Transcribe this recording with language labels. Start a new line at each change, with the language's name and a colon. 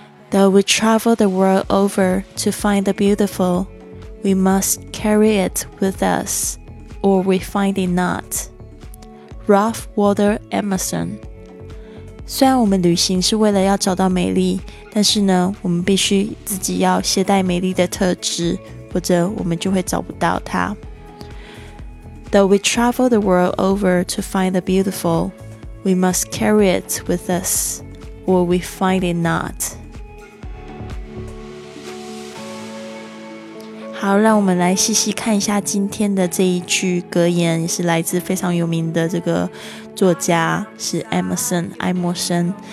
English: Though we travel the world over to find the beautiful, we must carry it with us, or we find it not. Ralph Waldo Emerson.
Chinese: 虽然我们旅行是为了要找到美丽，但是呢，我们必须自己要携带美丽的特质，否则我们就会找不到它。
English: Though we travel the world over to find the beautiful, we must carry it with us, or we find it not.
Chinese: 好，让我们来细细看一下今天的这一句格言，也是来自非常有名的这个作家，是 Emerson 爱默生。